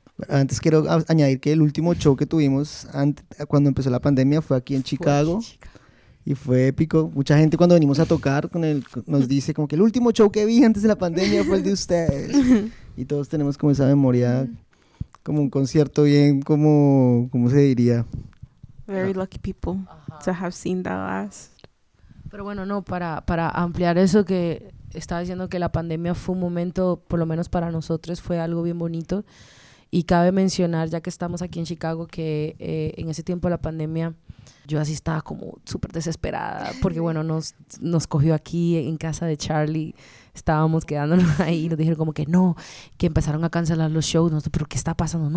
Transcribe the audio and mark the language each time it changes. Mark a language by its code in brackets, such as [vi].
[es] Antes quiero añadir que el último show que tuvimos cuando empezó la pandemia fue aquí en Chicago. Y fue épico. Mucha gente cuando venimos a tocar nos dice como que el último show que vi antes de la pandemia fue el de ustedes. Y todos tenemos como esa memoria, como un concierto bien, como, ¿cómo se diría? [en] Very lucky people to have seen that last. [es] Pero bueno, no, para ampliar eso que estaba diciendo, que la pandemia fue un momento, por lo menos para nosotros, fue algo bien bonito. Y cabe mencionar, ya que estamos aquí en Chicago, que en ese tiempo de la pandemia yo así estaba como súper desesperada, porque bueno, nos cogió aquí en casa de Charlie, estábamos quedándonos ahí y nos dijeron como que no, que empezaron a cancelar los shows, nosotros, pero ¿qué está pasando?